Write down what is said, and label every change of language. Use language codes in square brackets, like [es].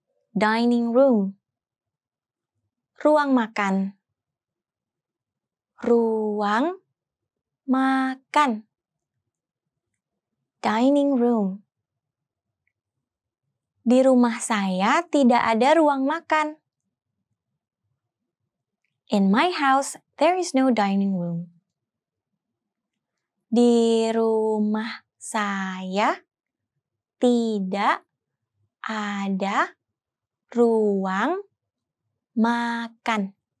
[en] Dining room. [id] Ruang makan. Ruang makan. [en] Dining room. [id] Di rumah saya tidak ada ruang makan. [en] In my house, there is no dining room. [id] Di rumah saya tidak ada ruang makan.